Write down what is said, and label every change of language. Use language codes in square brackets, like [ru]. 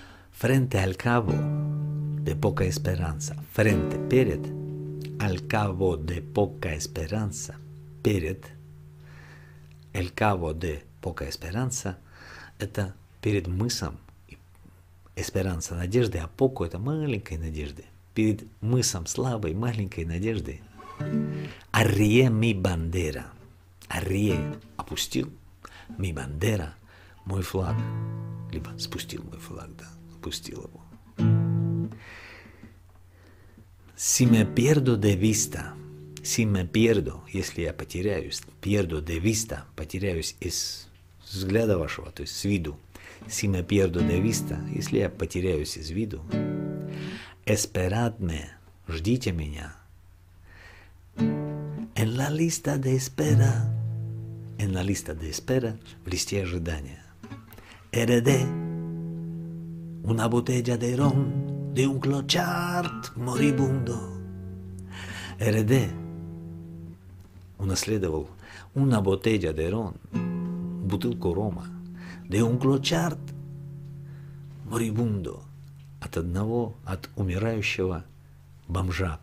[es] Frente al cabo de poca esperanza, frente, перед, al cabo de poca esperanza, перед, el cabo de poca esperanza, это перед мысом, esperanza, надежды, а poco, это маленькой надежды, [ru] перед мысом слабой, маленькой надежды. [es] Arrié mi bandera. Arrié, [ru] опустил. [es] Mi bandera, [ru] мой флаг. Либо спустил мой флаг, да, опустил его. [es] Si me pierdo de vista, si me pierdo, [ru] если я потеряюсь, [es] pierdo de vista, [ru] потеряюсь из взгляда вашего, то есть с виду. [es] Si me pierdo de vista, [ru] если я потеряюсь из виду. [es] Esperadme, [ru] ждите меня. [es] En la lista de espera, en la lista de espera, [ru] в листе ожидания. [es] Heredé una botella de ron de un clochard moribundo. Heredé, унаследовал una botella de ron, [ru] бутылку рома, [es] de un clochard moribundo, [ru] от одного, от умирающего бомжа.